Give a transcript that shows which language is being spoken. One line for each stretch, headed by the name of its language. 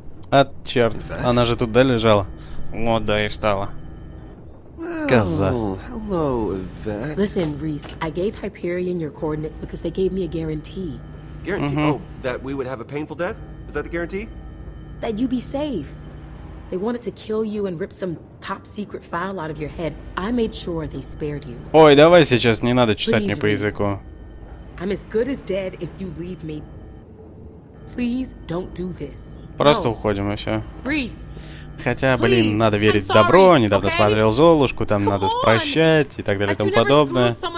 Russian: А, черт, она же туда лежала. Вот, да, и встала. Коза.
English: Listen, Reese, I gave Hyperion your coordinates because they gave me a guarantee. Guarantee? Mm-hmm. Oh, that we would have a painful death? Is that the guarantee? That you'd be safe. They wanted to kill you and rip some top secret file out of your head. I made sure they spared you.
Russian: Ой, давай сейчас, не надо чесать мне по языку.
English: I'm as good as dead if you leave me. Please don't do this.
Russian: Просто уходим и все. Reese, хотя, блин, надо верить в добро, недавно смотрел Золушку, там надо прощать и так далее и тому подобное.